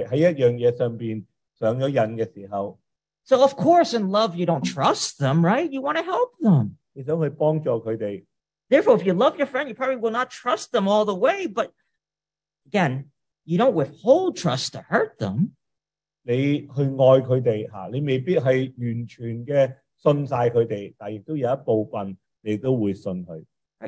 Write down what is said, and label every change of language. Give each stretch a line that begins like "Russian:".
Chinese: 当一个人去完全的是在一样东西上面上瘾的时候。
English: So of course in love you don't trust them, right? You want to help them.
Chinese: 你想去帮助他们。
English: Therefore, if you love your friend, you probably will not trust them all the way, but again, you don't withhold trust to hurt them.
Chinese: 你去爱他们,你未必是完全的信他们,但也有一部分你都会信他。